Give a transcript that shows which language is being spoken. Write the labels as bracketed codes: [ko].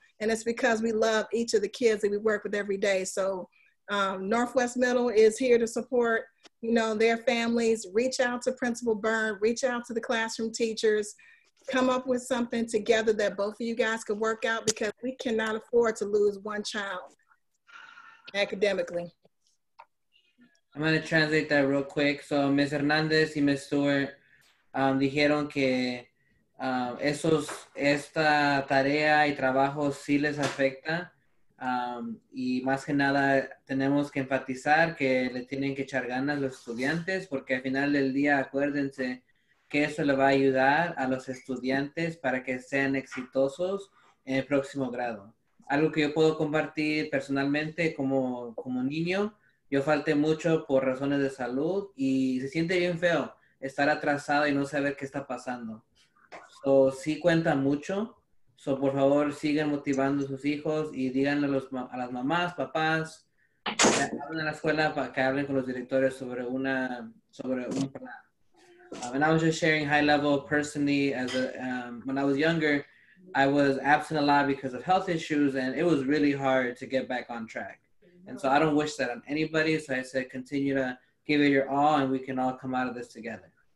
[en] And it's because we love each of the kids that we work with every day. So Northwest Middle is here to support, you know, their families. Reach out to Principal Byrne, reach out to the classroom teachers, come up with something together that both of you guys could work out, because we cannot afford to lose one child academically. I'm going to translate that real quick. So Ms. Hernandez y Ms. [es] Stewart dijeron que esta tarea y trabajo sí les afecta. Y más que nada tenemos que enfatizar que le tienen que echar ganas los estudiantes, porque al final del día acuérdense que eso le va a ayudar a los estudiantes para que sean exitosos en el próximo grado. Algo que yo puedo compartir personalmente como niño, yo falté mucho por razones de salud y se siente bien feo estar atrasado y no saber qué está pasando. So, sí cuentan mucho. So, por favor, sigan motivando a sus hijos y díganle a las mamás, papás, que hablen en la escuela para que hablen con los directores sobre una, sobre un plan. [en] And I was just sharing high level personally as a, when I was younger, I was absent a lot because of health issues and it was really hard to get back on track. And so I don't wish that on anybody. So I said, continue to give it your all and we can all come out of this together.